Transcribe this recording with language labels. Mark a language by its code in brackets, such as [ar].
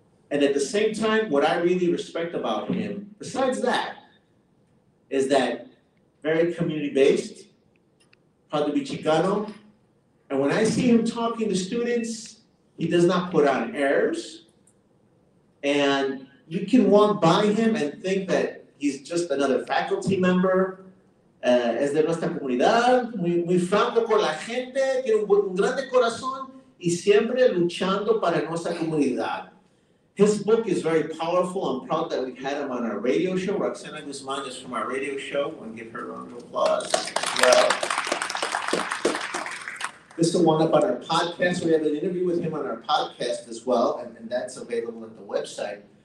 [en] And at the same time, what I really respect about him, besides that, is that very community-based, proud to be Chicano. And when I see him talking to students, he does not put on airs. And you can walk by him and think that he's just another faculty member. [es] Es de nuestra comunidad, muy franco con la gente, tiene un grande corazón y siempre luchando para nuestra comunidad. [en] His book is very powerful. I'm proud that we've had him on our radio show. Roxana Guzman is from our radio show. I want to give her a round of applause. Yeah. This will wind up on our podcast. We have an interview with him on our podcast as well, and that's available at the website.